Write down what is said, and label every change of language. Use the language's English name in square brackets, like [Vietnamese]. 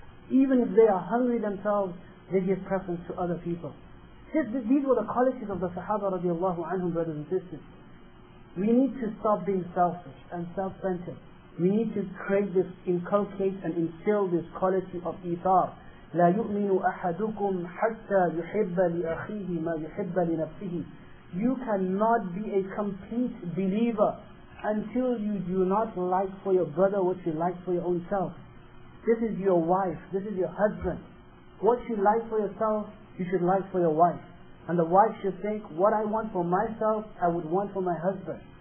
[English] Even if they are hungry themselves, they give preference to other people. These were the qualities of the sahaba radiallahu anhum, brothers and sisters. We need to stop being selfish and self-centered. We need to create this, inculcate and instill this quality of ithar. [Arabic] لا يؤمن أحدكم حتى يحب لأخيه ما يحب لنفسه. [English] You cannot be a complete believer until you do not like for your brother what you like for your own self. This is your wife, this is your husband. What you like for yourself, you should like for your wife. And the wife should think, what I want for myself, I would want for my husband.